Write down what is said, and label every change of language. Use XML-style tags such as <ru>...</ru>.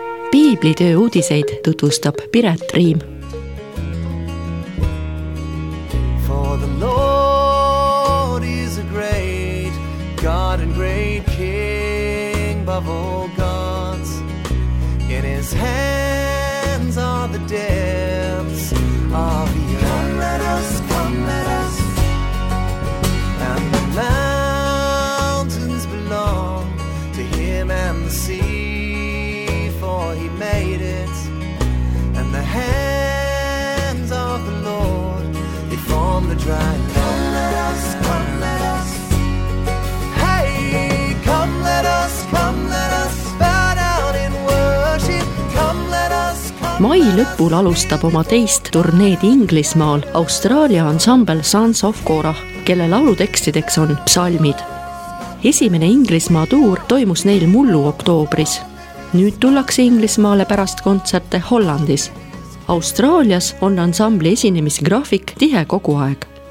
<et>Piiblitöö uudiseid tutvustab Piret Riim.</et> <en>For the Lord is a great God and great King above all gods. In his hands are the depths of the earth. Come, let us, come, let us. And the mountains belong to him and the sea. He made it, and the hands of the Lord, they form the dry land. Come, let us, come, let us. Hey, come, let us, come, let us bow down in worship. Come, let us, come.</en> <et>Mai lõpul alustab oma teist turneed Inglismaal Austraalia ansambel Sons of Korah, kelle laulutekstideks on psalmid. Esimene Inglismaa tuur toimus neil mullu oktoobris. Nüüd tullakse Inglismaale pärast kontserte Hollandis. Austraalias on ansambli esinemisgraafik tihe kogu aeg.</et>